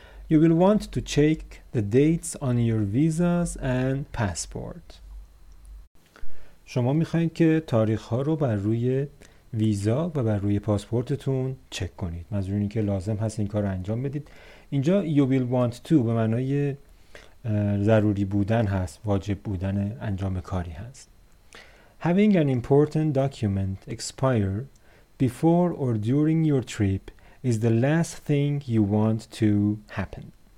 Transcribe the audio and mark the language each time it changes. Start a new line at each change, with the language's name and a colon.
English: You will want to check the dates on your visas and passport.
Persian: شما میخواید که تاریخ ها رو بر روی ویزا و بر روی پاسپورتتون چک کنید. منظور اینه که لازم هست این کار رو انجام بدید. اینجا
English: you will want to
Persian: به معنای ضروری بودن هست، واجب بودن انجام کاری هست.
English: Having an important document expire before or during your trip is the last thing you want to happen.